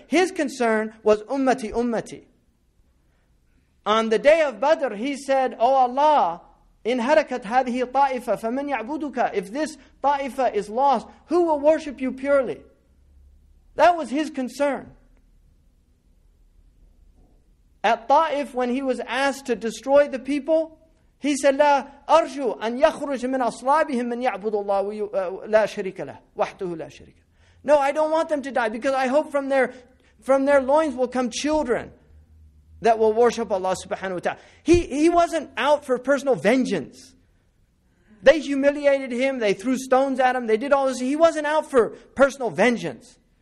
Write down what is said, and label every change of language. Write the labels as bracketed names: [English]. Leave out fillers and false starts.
[English] His concern was ummati, ummati. On the day of Badr, he said, O Allah, in harakat hadhi ta'ifa, faman ya'buduka. If this ta'ifa is lost, who will worship you purely? That was his concern. [Arabic] At Ta'if, when he was asked to destroy the people, he said, لا أرجو أن يخرج من أصلابهم من يعبد الله لا شريك له وحده لا شريك. [English] No, I don't want them to die because I hope from their loins will come children that will worship Allah subhanahu wa ta'ala. He wasn't out for personal vengeance. They humiliated him. They threw stones at him. They did all this. He wasn't out for personal vengeance.